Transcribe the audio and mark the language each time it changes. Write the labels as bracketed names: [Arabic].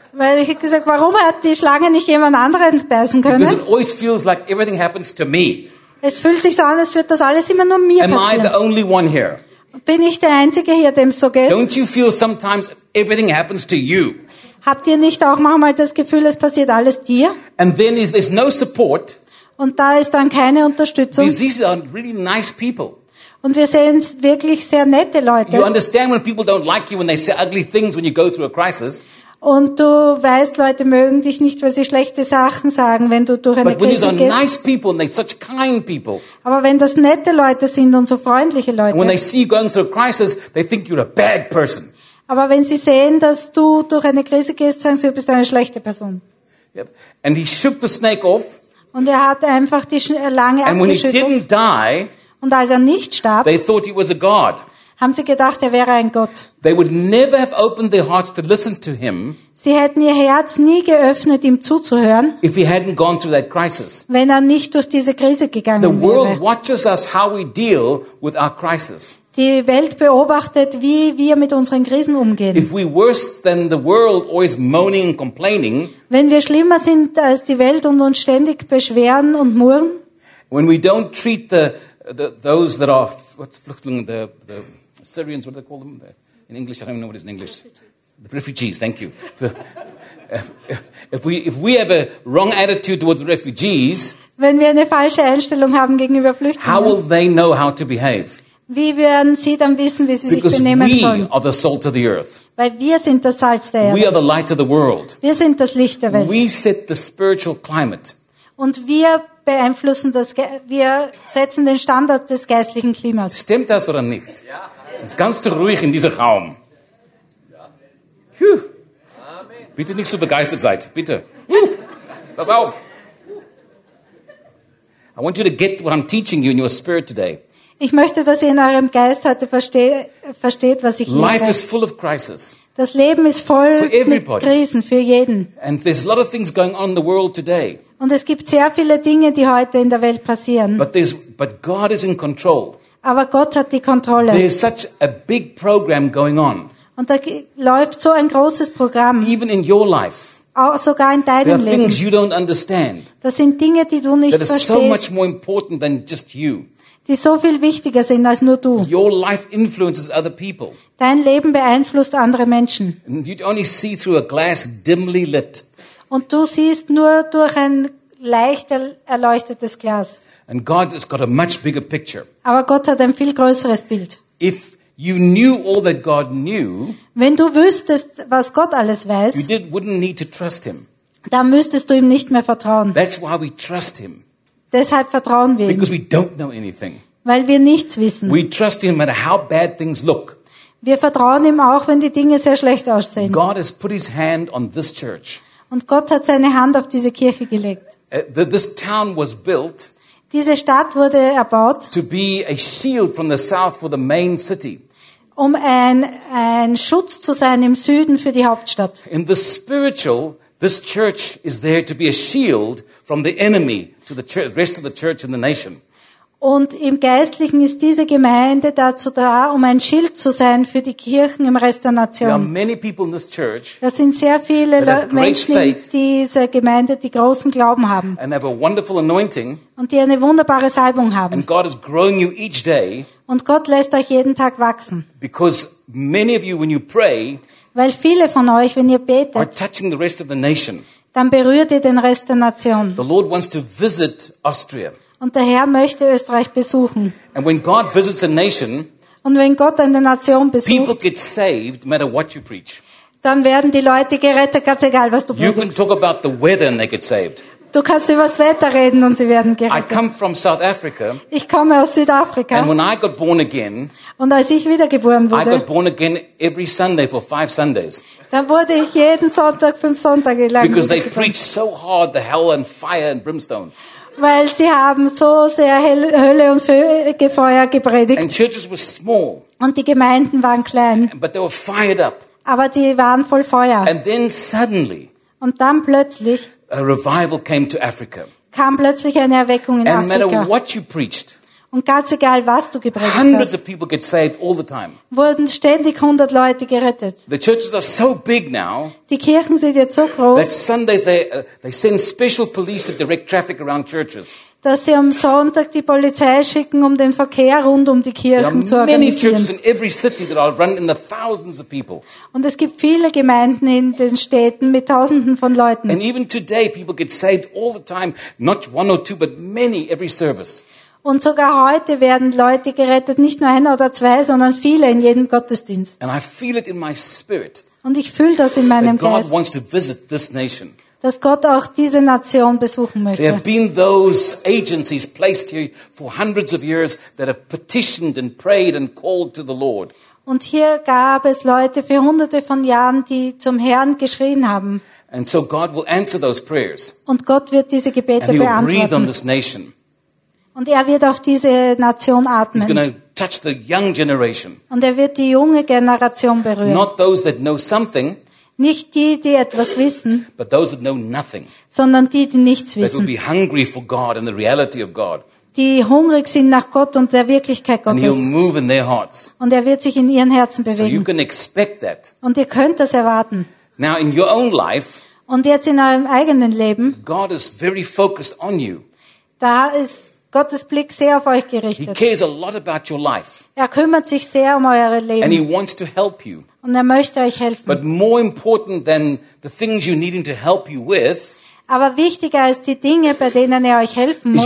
[German] Weil ich hätte gesagt, warum hat die Schlange nicht jemand anderen beißen können? [English] Because it always feels like everything happens to me. [German] Es fühlt sich so an, als wird das alles immer nur mir am passieren. [English] Am I the only one here? [German] Bin ich der Einzige hier, dem es so geht? [English] Don't you feel sometimes everything happens to you? [German] Habt ihr nicht auch manchmal das Gefühl, es passiert alles dir? [English] And then there's no support. [German] Und da ist dann keine Unterstützung. [English] These are really nice people. [German] Und wir sehen wirklich sehr nette Leute. [English] You understand when people don't like you when they say ugly things when you go through a crisis. [German] Und du weißt, Leute mögen dich nicht, weil sie schlechte Sachen sagen, wenn du durch eine Krise gehst. [English] Nice people and they're such kind people. [German] Aber wenn das nette Leute sind und so freundliche Leute. [English] When they see you going through a crisis, they think you're a bad person. [German] Aber wenn sie sehen, dass du durch eine Krise gehst, sagen sie, du bist eine schlechte Person. [English] Yep. And he shook the snake off. [German] Und er hat einfach die Schlange abgeschüttelt. [English] And when he didn't die, [German] und als er nicht starb, [English] they thought he was a god. [German] Haben sie gedacht, er wäre ein Gott. [English] They would never have opened their hearts to listen to him. [German] Sie hätten ihr Herz nie geöffnet, ihm zuzuhören. [English] If he hadn't gone through that crisis. [German] Wenn er nicht durch diese Krise gegangen wäre. [English] The world watches us how we deal with our crisis. [German] Die Welt beobachtet, wie wir mit unseren Krisen umgehen. [English] If we're worse than the world, always moaning and complaining. [German] Wenn wir schlimmer sind als die Welt und uns ständig beschweren und murren. [English] When we don't treat those that are what's Flüchtlinge, the Syrians, what do they call them there? In English, I don't even know what it is in English. The refugees, thank you. If we have a wrong attitude towards refugees, [German] wenn wir eine falsche Einstellung haben gegenüber Flüchtlingen, [English] how will they know how to behave? [German] Wie werden sie dann wissen, wie sie [English] because [German] sich benehmen sollen? [English] Because we are the salt of the earth. [German] Weil wir sind das Salz der Erde. [English] We are the light of the world. [German] Wir sind das Licht der Welt. [English] We set the spiritual climate. [German] Und wir beeinflussen das. Wir setzen den Standard des geistlichen Klimas. Stimmt das oder nicht? Es ist ganz ruhig in diesem Raum. Phew. Bitte nicht so begeistert seid. Bitte. Pass auf. [English] I want you to get what I'm teaching you in your spirit today. [German] Ich möchte, dass ihr in eurem Geist heute versteht, was ich lehre. [English] Life is full of crisis. [German] Das Leben ist voll mit Krisen für jeden. [English] And there's a lot of things going on in the world today. [German] Und es gibt sehr viele Dinge, die heute in der Welt passieren. [English] But God is in control. [German] Aber Gott hat die Kontrolle. [English] There is such a big program going on. [German] Und da läuft so ein großes Programm. [English] Even in your life. [German] Auch sogar in deinem [English] Leben. Things you don't understand. [German] Das sind Dinge, die du nicht verstehst. [English] That are so much more important than just you. [German] Die so viel wichtiger sind als nur du. [English] Your life influences other people. [German] Dein Leben beeinflusst andere Menschen. [English] And you only see through a glass dimly lit. [German] Und du siehst nur durch ein leicht erleuchtetes Glas. [English] And God has got a much bigger picture. [German] Aber Gott hat ein viel größeres Bild. [English] If you knew all that God knew, [German] wenn du wüsstest, was Gott alles weiß, [English] you wouldn't need to trust him. [German] Dann müsstest du ihm nicht mehr vertrauen. [English] That's why we trust him. [German] Deshalb vertrauen wir ihm. [English] Because we don't know anything. [German] Weil wir nichts wissen. [English] We trust him no matter how bad things look. [German] Wir vertrauen ihm auch, wenn die Dinge sehr schlecht aussehen. [English] God has put his hand on this church. [German] Und Gott hat seine Hand auf diese Kirche gelegt. [English] This town was built. [German] Diese Stadt wurde erbaut. [English] To be a shield from the south for the main city. [German] Um ein Schutz zu sein im Süden für die Hauptstadt. [English] In the spiritual, this church is there to be a shield from the enemy to the rest of the church and the nation. [German] Und im Geistlichen ist diese Gemeinde dazu da, um ein Schild zu sein für die Kirchen im Rest der Nation. [English] There are many people in this church. [German] Das sind sehr viele Menschen in dieser Gemeinde, die großen Glauben haben. [English] And have a wonderful anointing. [German] Und die eine wunderbare Salbung haben. [English] And God is growing you each day. [German] Und Gott lässt euch jeden Tag wachsen. [English] Because many of you, when you pray, [German] weil viele von euch, wenn ihr betet, [English] are touching the rest of the nation. [German] Dann berührt ihr den Rest der Nation. [English] The Lord wants to visit Austria. [German] Und der Herr möchte Österreich besuchen. [English] And when God visits a nation, [German] und wenn Gott eine Nation besucht, [English] people get saved, no matter what you preach. [German] Dann werden die Leute gerettet, ganz egal, was du predigst. [English] You can talk about the weather and they get saved. [German] Du kannst über das Wetter reden und sie werden gerettet. [English] I come from South Africa, [German] ich komme aus Südafrika. [English] And when I got born again, [German] und als ich wiedergeboren wurde, [English] I got born again every Sunday for 5 Sundays. [German] Dann wurde ich jeden Sonntag 5 Sonntage lang [English] because they preach so hard the hell and fire and brimstone. [German] Weil sie haben so sehr Hölle und Fegefeuer gepredigt. [English] And churches were small. [German] Und die Gemeinden waren klein. [English] But they were fired up. [German] Aber die waren voll Feuer. [English] And then suddenly, [German] und dann plötzlich [English] a revival came to Africa. [German] Kam plötzlich eine Erweckung in [English] and [German] Afrika. [English] No matter what you preached, [German] und ganz egal, was du gepredigt [English] hundreds of people get saved all the time. [German] Wurden ständig 100 Leute gerettet. [English] The churches are so big now, [German] die Kirchen sind jetzt so groß, [English] that Sundays they send special police to direct traffic around churches. [German] Dass sie am Sonntag die Polizei schicken, um den Verkehr rund um die Kirchen zu organisieren. [English] There are many churches in every city that are run in the thousands of people. [German] Und es gibt viele Gemeinden in den Städten mit Tausenden von Leuten. [English] And even today people get saved all the time, not one or two, but many every service. [German] Und sogar heute werden Leute gerettet, nicht nur einer oder zwei, sondern viele in jedem Gottesdienst. [English] And I feel it in my spirit, [German] und ich fühle das in meinem [English] God [German] Geist, [English] wants to visit this nation. [German] Dass Gott auch diese Nation besuchen möchte. [English] There have been those agencies placed here for hundreds of years that have petitioned and prayed and called to the Lord. [German] Und hier gab es Leute für hunderte von Jahren, die zum Herrn geschrien haben. [English] And so God will answer those prayers. [German] Und Gott wird diese Gebete [English] and he will [German] beantworten. [English] Breathe on this nation. [German] Und er wird auf diese Nation atmen. [English] He's going to touch the young generation. [German] Und er wird die junge Generation berühren. [English] Not those that know something, [German] nicht die, die etwas wissen, [English] but those that know nothing, [German] sondern die, die nichts wissen. [English] That will be hungry for God and the reality of God. [German] Die hungrig sind nach Gott und der Wirklichkeit Gottes. [English] And he'll move in their hearts. [German] Und er wird sich in ihren Herzen bewegen. [English] So you can expect that. [German] Und ihr könnt das erwarten. [English] Now in your own life, [German] und jetzt in eurem eigenen Leben, [English] God is very focused on you. [German] Da ist Gottes Blick sehr auf euch gerichtet. [English] He cares a lot about your life. [German] Er kümmert sich sehr um euer Leben. [English] And he wants to help you. [German] Und er möchte euch helfen. [English] But more important than the things you need him to help you with, [German] aber wichtiger als die Dinge, bei denen er euch helfen muss,